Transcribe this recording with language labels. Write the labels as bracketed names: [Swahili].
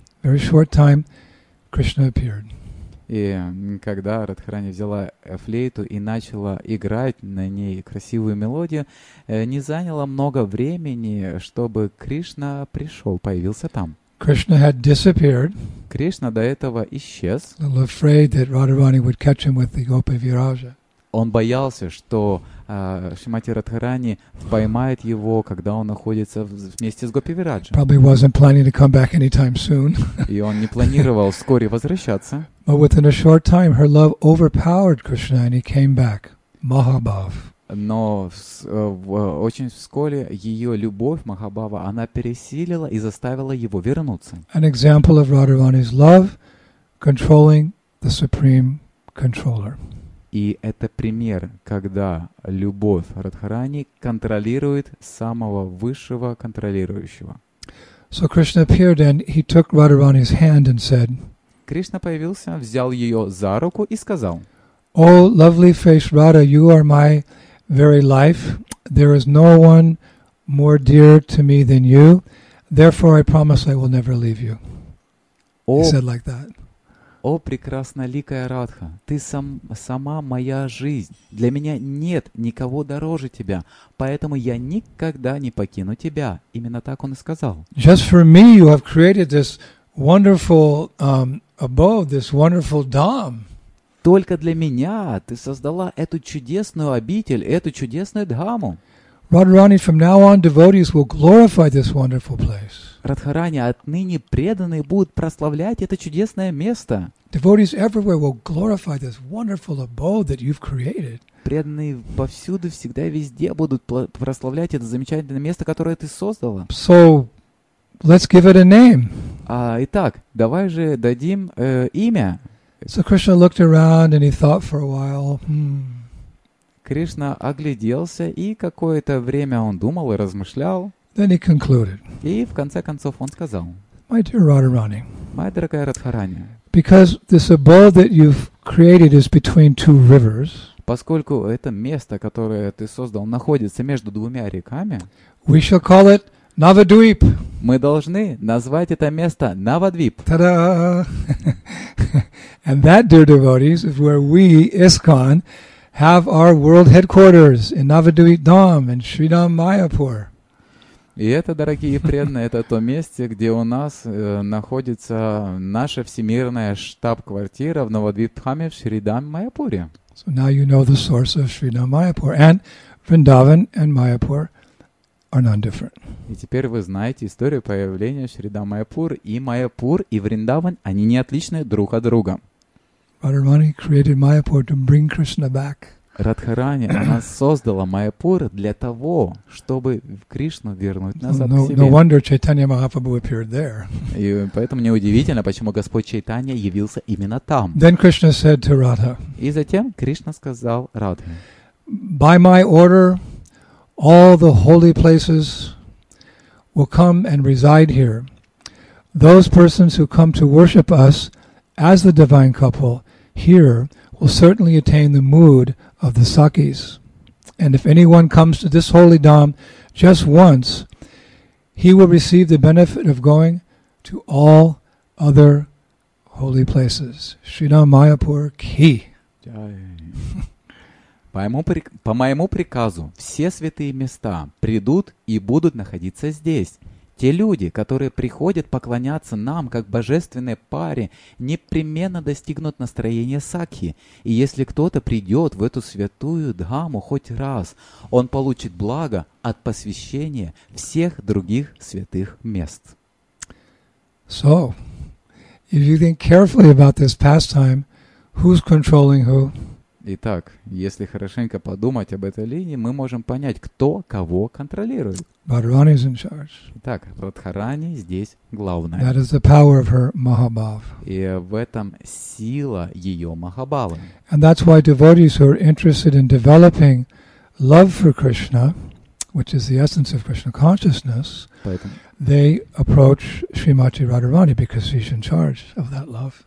[English] Very short time, Krishna appeared. [Russian] И когда Радхарани взяла флейту и начала играть на ней красивую мелодию, не заняло много времени, чтобы Кришна пришел, появился там. [English] Krishna had disappeared. [Russian] Кришна до этого исчез. [English] A little afraid that Radharani would catch him with the Gopa Viraja. [Russian] Он боялся, что Шримати Радхарани поймает его, когда он находится вместе с Гопи Вираджа. [English] Probably wasn't planning to come back anytime soon. [Russian] И он не планировал вскоре возвращаться. [English] But within a short time, her love overpowered Krishna, and he came back. Mahabhav. [Russian] Но очень вскоре ее любовь, Махабава, она пересилила и заставила его вернуться. [English] An example of Radharani's love controlling the supreme controller. [Russian] И это пример, когда любовь Радхарани контролирует самого высшего контролирующего. [English] So Krishna appeared and he took Radharani's hand and said, [Russian] Кришна появился, взял ее за руку и сказал, [English] O lovely face Radha, you are my very life. There is no one more dear to me than you. Therefore, I promise I will never leave you. He said like that. [Russian] О, прекрасноликая Радха, ты сама моя жизнь. Для меня нет никого дороже тебя, поэтому я никогда не покину тебя. Именно так он и сказал. [English] Just for me you have created this wonderful abode, this wonderful dham. [Russian] Только для меня ты создала эту чудесную обитель, эту чудесную дхаму. [English] Radharani, from now on, devotees will glorify this wonderful place. [Russian] Радхарани, отныне преданные будут прославлять это чудесное место. [English] Devotees everywhere will glorify this wonderful abode that you've created. [Russian] Преданные повсюду, всегда, везде будут прославлять это замечательное место, которое ты создала. [English] So, let's give it a name. [Russian] Итак, давай же дадим имя. [English] So Krishna looked around and he thought for a while. [Russian] Кришна огляделся и какое-то время он думал и размышлял. [English] Then he concluded. [Russian] И в конце концов он сказал: [English] My dear Radharani, [Russian] моя дорогая Радхарани, [English] because this abode that you've created is between two rivers, [Russian] поскольку это место, которое ты создал, находится между двумя реками, [English] we shall call it Navadvip. [Russian] Мы должны назвать это место Навадвип. Та-да! [English] And that, dear devotees, is where we, ISKCON, have our world headquarters in Navadvip Dham in Shridham Mayapur. [Russian] И это, дорогие преданные, это то место, где у нас находится наша всемирная штаб-квартира в Навадвип Дхаме в Шридхам Майяпуре. [English] So now you know the source of Shridham Mayapur. And Vrindavan and Mayapur are none different. [Russian] И теперь вы знаете историю появления Шридхам Майяпур. И Майяпур, и Вриндаван, они не отличны друг от друга. [English] Radharani created Mayapur to bring Krishna back. [Russian] Радхарани, она создала Майяпур для того, чтобы Кришну вернуть назад no, к себе. [English] No wonder Chaitanya Mahaprabhu appeared there. [Russian] И поэтому неудивительно, почему Господь Чайтанья явился именно там. [English] Then Krishna said to Radha. [Russian] И затем Кришна сказал Радхе. [English] By my order, all the holy places will come and reside here. Those persons who come to worship us as the divine couple here will certainly attain the mood of the Sakis. And if anyone comes to this holy dham just once, he will receive the benefit of going to all other holy places. [Hindi] Shridham Mayapur ki. [Russian] По моему приказу все святые места придут и будут находиться здесь. Те люди, которые приходят поклоняться нам как божественной паре, непременно достигнут настроения сакхи. И если кто-то придет в эту святую дхаму хоть раз, он получит благо от посвящения всех других святых мест. [English] So, if you think carefully about this pastime, who's controlling who? [Russian] Итак, если хорошенько подумать об этой линии, мы можем понять, кто кого контролирует. [English] Radharani is in charge. [Russian] Итак, Радхарани здесь главная. [English] That is the power of her Mahabhav. [Russian] И в этом сила ее Махабхавы. [English] And that's why devotees who are interested in developing love for Krishna, which is the essence of Krishna consciousness, they approach Srimati Radharani because she's in charge of that love.